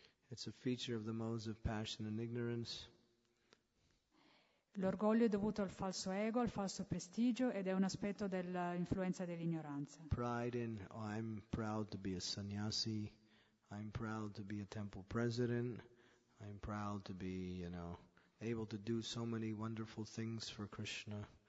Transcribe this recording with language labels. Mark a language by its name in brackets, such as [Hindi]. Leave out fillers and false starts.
[English] It's a feature of the modes of passion and ignorance. [Italian] L'orgoglio è dovuto al falso ego, al falso prestigio ed è un aspetto dell'influenza dell'ignoranza. [English] Pride in I'm proud to be a sannyasi, I'm proud to be a temple president, I'm proud to be, you know, able to do so many wonderful things for Krishna.